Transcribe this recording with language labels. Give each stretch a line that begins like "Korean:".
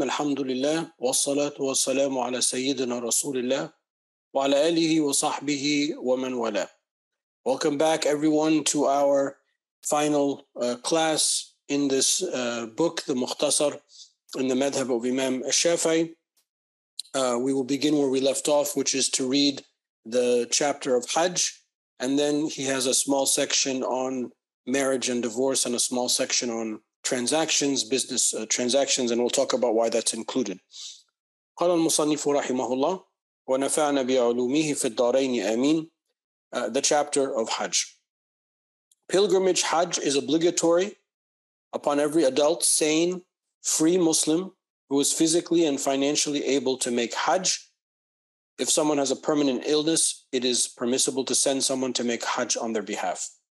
Arabic: الحمد لله والصلاة والسلام على سيدنا رسول الله وعلى آله وصحبه ومن والاه.
English: Welcome back everyone to our final class in this book, The Mukhtasar, in the Madhab of Imam al-Shafi'i. We will begin where we left off, which is to read the chapter of Hajj, and then he has a small section on marriage and divorce and a small section on transactions, business transactions, and we'll talk about why that's included.
Arabic: قال المصنف رحمه الله ونفعنا بعلومه في الدارين آمين.
English: The chapter of Hajj. Pilgrimage Hajj is obligatory upon every adult, sane, free Muslim who is physically and financially able to make Hajj. If someone has a permanent illness, it is permissible to send someone to make Hajj on their behalf.